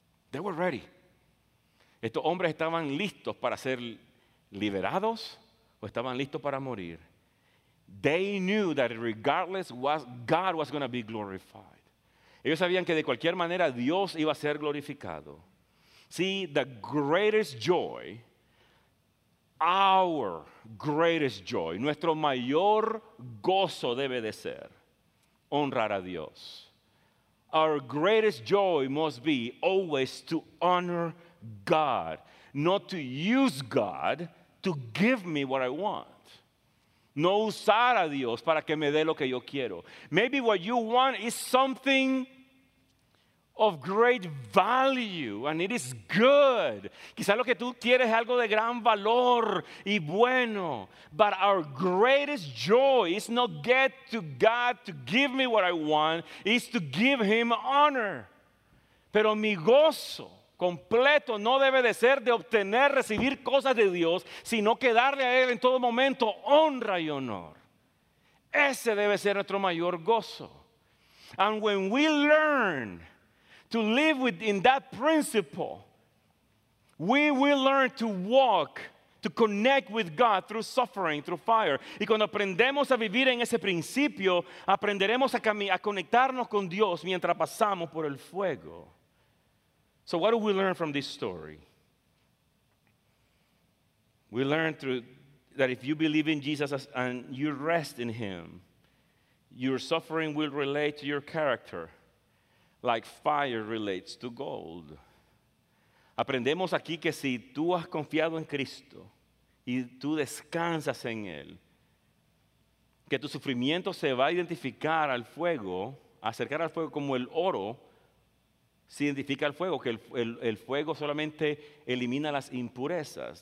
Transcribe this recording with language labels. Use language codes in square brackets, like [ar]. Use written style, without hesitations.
[en] They were ready. [es] Estos hombres estaban listos para ser liberados o estaban listos para morir. [en] They knew that regardless God was going to be glorified. [es] Ellos sabían que de cualquier manera Dios iba a ser glorificado. [en] See, the greatest joy, our greatest joy, [es] nuestro mayor gozo debe de ser honrar a Dios. [en] Our greatest joy must be always to honor God, not to use God to give me what I want. [es] No usar a Dios para que me dé lo que yo quiero. [en] Maybe what you want is something of great value, and it is good. [es] Quizá lo que tú quieres es algo de gran valor y bueno. [en] But our greatest joy is not get to God to give me what I want, is to give him honor. [es] Pero mi gozo completo no debe de ser de obtener, recibir cosas de Dios, sino que darle a él en todo momento honra y honor. Ese debe ser nuestro mayor gozo. [en] And when we learn to live within that principle, we will learn to walk, to connect with God through suffering, through fire. [es] Y cuando aprendemos a vivir en ese principio, aprenderemos a conectarnos con Dios mientras pasamos por el fuego. [en] So what do we learn from this story? We learn through that if you believe in Jesus and you rest in him, your suffering will relate to your character, like fire relates to gold. [es] Aprendemos aquí que si tú has confiado en Cristo y tú descansas en él, que tu sufrimiento se va a identificar al fuego, acercar al fuego como el oro se identifica al fuego, que el fuego solamente elimina las impurezas.